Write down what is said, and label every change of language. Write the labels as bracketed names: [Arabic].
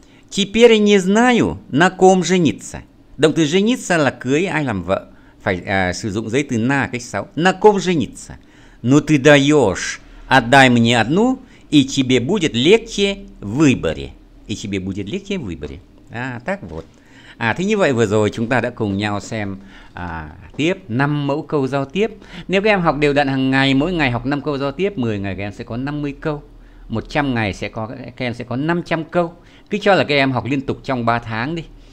[Russian] Теперь не знаю, на ком жениться. [Vietnamese] Động từ жениться là cưới ai làm vợ. Phải sử dụng giấy từ на, cách sáu. [Russian] На ком жениться? Ну ты даешь. Отдай мне одну, и тебе будет легче в выборе. И тебе будет легче в выборе. А, так вот. [Vietnamese] Thế như vậy vừa rồi chúng ta đã cùng nhau xem tiếp 5 mẫu câu giao tiếp. Nếu các em học đều đặn hàng ngày, mỗi ngày học 5 câu giao tiếp, 10 ngày các em sẽ có 50 câu. 100 ngày sẽ có các em sẽ có 500 câu. Cứ cho là các em học liên tục trong 3 tháng đi.